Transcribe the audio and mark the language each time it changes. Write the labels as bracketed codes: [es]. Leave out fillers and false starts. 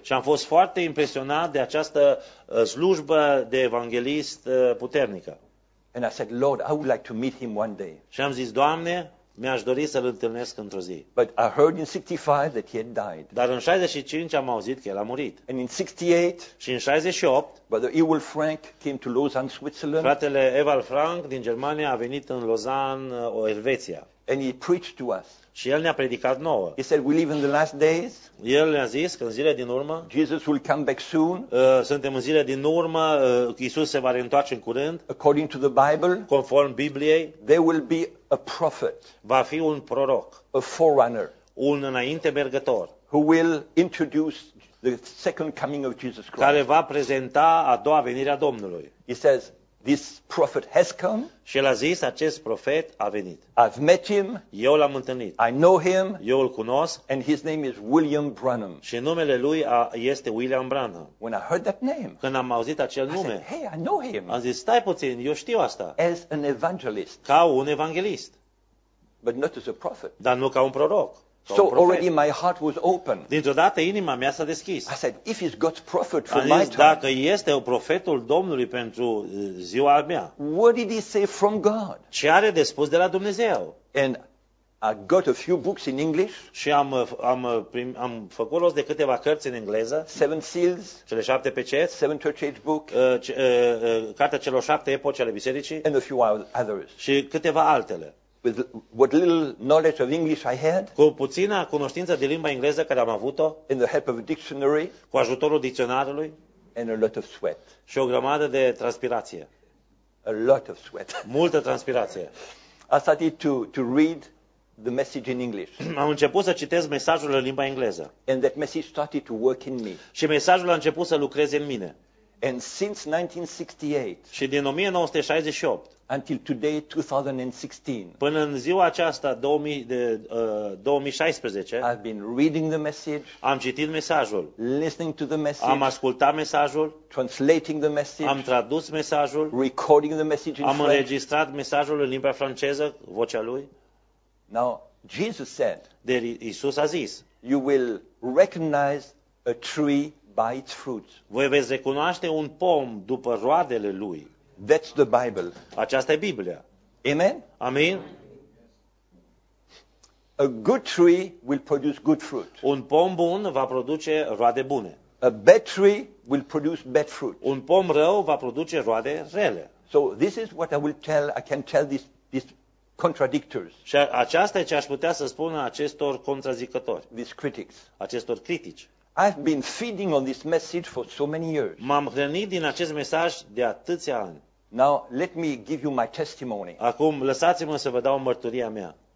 [ro] Și am fost foarte impresionat de această slujbă de evanghelist puternică. [en] And I said, Lord, I would like to meet him one day. [ro] Și am zis, Doamne, mi-aș dori să-l întâlnesc într-o zi. [en] But I heard in 65 that he had died. [ro] Dar în 65 am auzit că el a murit. [en] And in 68, [ro] și în 68, [en] Brother Ewald Frank came to Lausanne, Switzerland. [ro] Fratele Ewald Frank din Germania a venit în Lausanne, o Elveția. [en] And he preached to us. [ro] Și el ne-a predicat nouă. [en] He said we live in the last days. [ro] El ne-a zis că în zilele din urmă. [en] Jesus will come back soon. [ro] Suntem în zilele din urmă, Iisus se va reîntoarce în curând. [en] According to the Bible. [ro] Conform Bibliei. [en] There will be a prophet. [ro] Va fi un proroc. [en] A forerunner. [ro] Un înainte mergător. [en] who will introduce the second coming of Jesus Christ. [ro] Care va prezenta a doua venire a Domnului. [en] He says, this prophet has come. [ro] Și el a zis, acest profet a venit. [en] I've met him. [ro] Eu l-am întâlnit. [en] I know him. [ro] Eu îl cunosc. [en] And his name is William Branham. [ro] Și numele lui este William Branham. [en] When I heard that name, [ro] când am auzit acel nume, [en] I said, hey, I know him. [ro] Am zis, stai puțin, eu știu asta. [en] As an evangelist. [ro] Ca un evanghelist. [en] But not as a prophet. [ro] Dar nu ca un proroc. [en] So already my heart was open. [ro] Dintr-o dată inima mea s-a deschis. [en] I said, if he's God's prophet for my time. [ro] Dacă este profetul Domnului pentru ziua mea. [en] What did he say from God? [ro] Ce are de spus de la Dumnezeu? [en] And I got a few books in English. [ro] Și am făcut rost de câteva cărți în engleză. [en] Seven Seals. [ro] Cele șapte peceți. [en] Seven Church Age Book. [ro] Cartea celor șapte epoci ale bisericii. [en] And a few others. [ro] Și câteva altele. [en] With what little knowledge of English I had, [ro] cu puțină cunoștință de limba engleză care am avut-o, [en] in the help of a dictionary, [ro] cu ajutorul dicționarului, [en] and a lot of sweat, [ro] și o grămadă de transpirație, [en] a lot of sweat, [ro] multă transpirație. [en] I started to read the message in English. [ro] Am început să citesc mesajul în limba engleză. [en] And that message started to work in me. [ro] Și mesajul a început să lucreze în mine. [en] And since 1968, [ro] și din 1968, [en] until today, 2016, [ro] până în ziua aceasta, 2016, [en] I've been reading the message, [ro] am citit mesajul, [en] listening to the message, [ro] am ascultat mesajul, [en] translating the message, [ro] am tradus mesajul, [en] recording the message in [ro] French, am înregistrat mesajul în limba franceză, vocea lui. [en] Now, Jesus said, [ro] Iisus a zis, [en] you will recognize a tree by its fruits. [ro] Voi veți recunoaște un pom după roadele lui. [en] That's the Bible. [ro] Aceasta e Biblia. [en] Amen. [ro] Amin. [en] A good tree will produce good fruit. [ro] Un pom bun va produce roade bune. [en] A bad tree will produce bad fruit. [ro] Un pom rău va produce roade rele. [en] So this is what I will tell. I can tell these contradictors. [ro] Și aceasta e ce aș putea să spun acestor contrazicători. [en] These critics. [ro] Acestor critici. [en] I've been feeding on this message for so many years. [ro] M-am hrănit din acest mesaj de atâția ani. [en] Now let me give you my testimony. [ro] Acum lăsați-mă să vă dau mărturia mea.